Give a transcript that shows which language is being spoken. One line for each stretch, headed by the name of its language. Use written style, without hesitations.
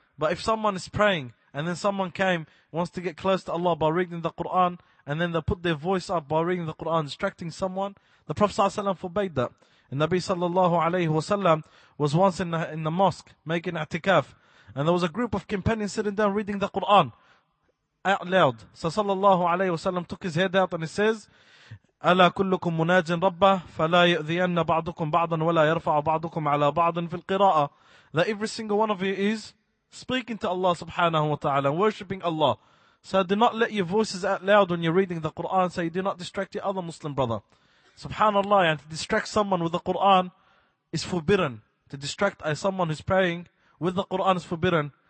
English: But if someone is praying and then someone came, wants to get close to Allah by reading the Quran, and then they put their voice up by reading the Quran, distracting someone, the Prophet ﷺ forbade that. And Nabi sallallahu alayhi wa sallam was once in the mosque making i'tikaf, and there was a group of companions sitting down reading the Quran out loud. So sallallahu alayhi wa sallam took his head out and he says,
Arabic: أَلَا كُلُّكُمْ مُنَاجٍ رَبَّهُ فَلَا يَأْذِيَنَّ بَعْضُكُمْ بَعْضًا وَلَا يَرْفَعُ بَعْضُكُمْ عَلَى بَعْضٍ فِي الْقِرَاءَ.
English: That every single one of you is speaking to Allah subhanahu wa ta'ala and worshipping Allah. So do not let your voices out loud when you're reading the Quran, so you do not distract your other Muslim brother. Subhanallah, and to distract someone with the Quran is forbidden. To distract someone who's praying with the Quran is forbidden.